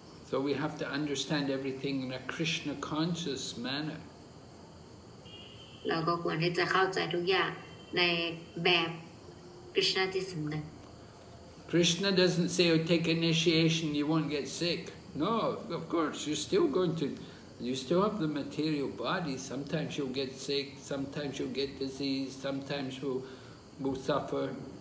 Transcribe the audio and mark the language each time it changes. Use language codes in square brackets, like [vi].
[en] So we have to understand everything in a Krishna conscious manner. [th] เราก็ควรที่จะเข้าใจทุกอย่างในแบบ Krishna ที่สุด [en] Krishna doesn't say, oh, take initiation, you won't get sick. No, of course, you're still going to, you still have the material body. Sometimes you'll get sick, sometimes you'll get disease, sometimes you will suffer.